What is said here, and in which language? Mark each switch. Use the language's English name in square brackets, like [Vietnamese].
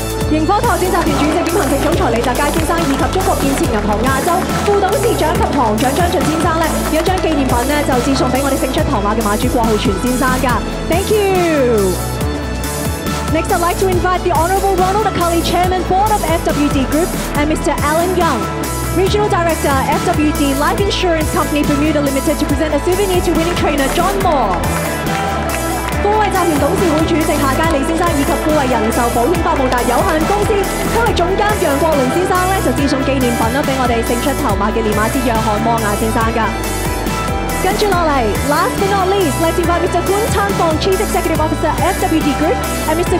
[Cantonese] 盈科拓展集團主席兼行政總裁李澤楷先生，以及中國建設銀行亞洲副董事長及行長張俊先生咧，有張紀念品咧就致送俾我哋勝出唐馬嘅馬主郭浩全先生噶。 [English] Thank you. Next, I'd like to invite the Honourable Ronald Akali, Chairman, Board of FWD Group, and Mr. Alan Young, Regional Director, FWD Life Insurance Company Bermuda Limited, to present a souvenir to winning trainer John Moore. [Cantonese] 富衛集團董事會主席夏佳利先生以及富衛人壽保險百慕達有限公司區域總監楊國倫先生咧，就致送紀念品啦，俾我哋勝出頭馬嘅練馬師約翰摩亞先生噶。跟住落嚟 [English] ，last but not least， let's invite Mr. Guan Tanfeng, Chief Executive Officer, FWD Group, and Mr.